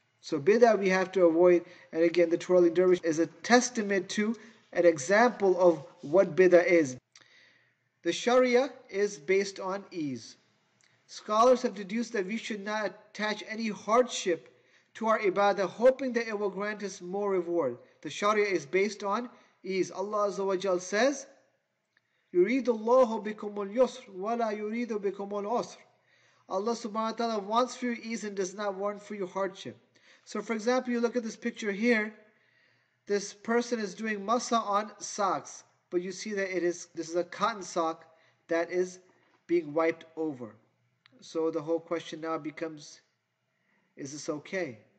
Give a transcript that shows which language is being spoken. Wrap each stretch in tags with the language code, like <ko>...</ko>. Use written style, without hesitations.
<en>So bid'ah we have to avoid. And again, the twirling dervish is a testament to an example of what bid'ah is. The sharia is based on ease. Scholars have deduced that we should not attach any hardship to our ibadah, hoping that it will grant us more reward. The sharia is based on ease. Allah Azza wa Jal says,</en> <ar>يُرِيدُ اللَّهُ بِكُمُ الْيُسْرُ وَلَا يُرِيدُ بِكُمُ الْعُسْرُ.</ar> <en>Allah subhanahu wa ta'ala wants for you ease and does not want for you hardship. So for example, you look at this picture here. This person is doing masa on socks. But you see that this is a cotton sock that is being wiped over. So the whole question now becomes, is this okay?</en>